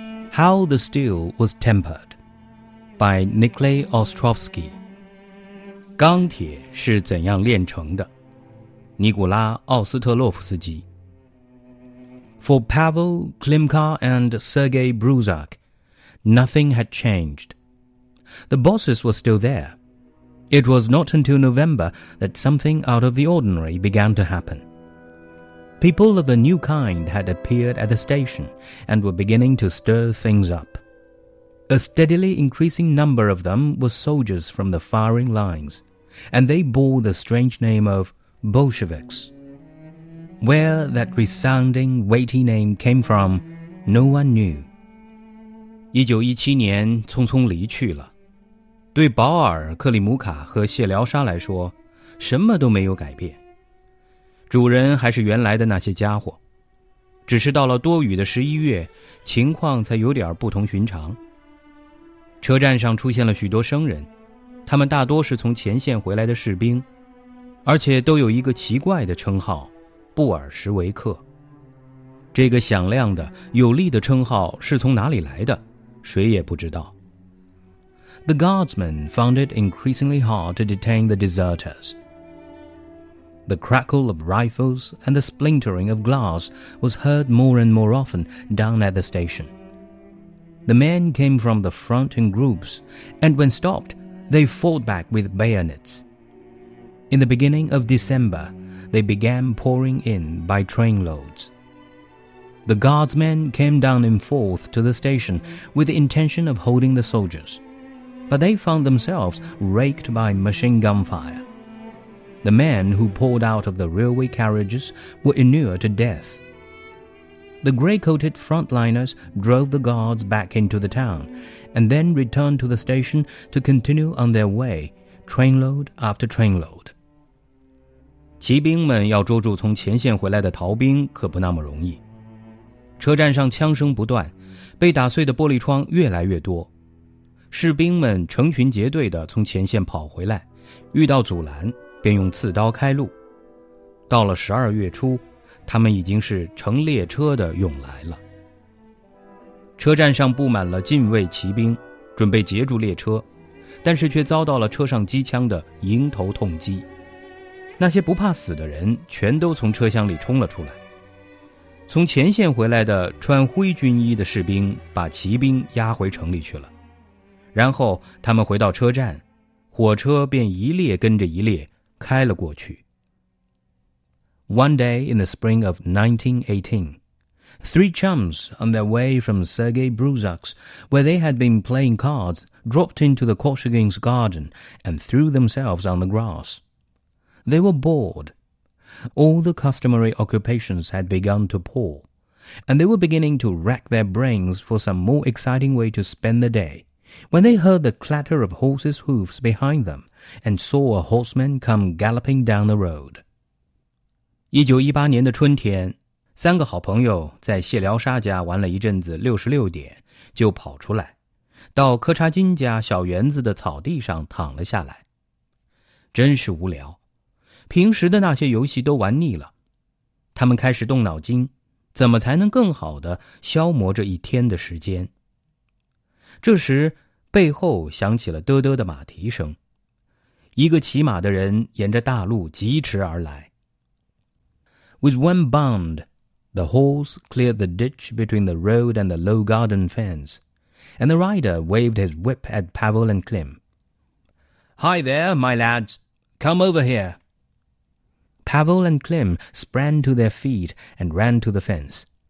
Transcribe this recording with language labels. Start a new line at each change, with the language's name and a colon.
English: How the Steel Was Tempered by Nikolay Ostrovsky 钢铁是怎样炼成的
Chinese: 尼古拉·奥斯特洛夫斯基。
English: For Pavel Klimka and Sergei Bruzak, nothing had changed. The bosses were still there. It was not until November that something out of the ordinary began to happen. People of a new kind had appeared at the station and were beginning to stir things up. A steadily increasing number of them were soldiers from the firing lines, and they bore the strange name of Bolsheviks. Where that resounding, weighty name came from, no one knew.
Chinese: 1917年匆匆离去了。对保尔、克里姆卡和谢辽沙来说，什么都没有改变。主人还是原来的那些家伙，只是到了多雨的11月，情况才有点不同寻常。车站上出现了许多生人，他们大多是从前线回来的士兵，而且都有一个奇怪的称号，布尔什维克。这个响亮的、有力的称号是从哪里来的，谁也不知道。
English: The guardsmen found it increasingly hard to detain the deserters. The crackle of rifles and the splintering of glass was heard more and more often down at the station. The men came from the front in groups, and when stopped, they fought back with bayonets. In the beginning of December, they began pouring in by trainloads. The guardsmen came down in force to the station with the intention of holding the soldiers. But they found themselves raked by machine gun fire. The men who poured out of the railway carriages were inured to death. The grey-coated frontliners drove the guards back into the town and then returned to the station to continue on their way, trainload after trainload.
Chinese: 骑兵们要捉住从前线回来的逃兵可不那么容易。车站上枪声不断，被打碎的玻璃窗越来越多。士兵们成群结队地从前线跑回来，遇到阻拦便用刺刀开路。到了12月初，他们已经是乘列车的涌来了。车站上布满了禁卫骑兵，准备截住列车，但是却遭到了车上机枪的迎头痛击。那些不怕死的人全都从车厢里冲了出来。从前线回来的穿灰军衣的士兵把骑兵押回城里去了。然后他们回到车站，火车便一列跟着一列开了过去。
English: One day in the spring of 1918, three chums on their way from Sergei Bruzak's, where they had been playing cards, dropped into the Korshagin's garden and threw themselves on the grass. They were bored. All the customary occupations had begun to pall, and they were beginning to rack their brains for some more exciting way to spend the day. When they heard the clatter of horses' hoofs behind them and saw a horseman come galloping down the road.
Chinese: 1918年的春天，三个好朋友在谢辽沙家玩了一阵子66点，就跑出来，到柯察金家小园子的草地上躺了下来。真是无聊，平时的那些游戏都玩腻了。他们开始动脑筋，怎么才能更好地消磨这一天的时间。这时背后响起了嘚嘚的马蹄声，一个骑马的人沿着大路疾驰而来。
English: With one bound, the horse cleared the ditch between the road and the low garden fence, and the rider waved his whip at Pavel and Klim. Hi there, my lads, come over here. Pavel and Klim sprang to their feet and ran to the fence.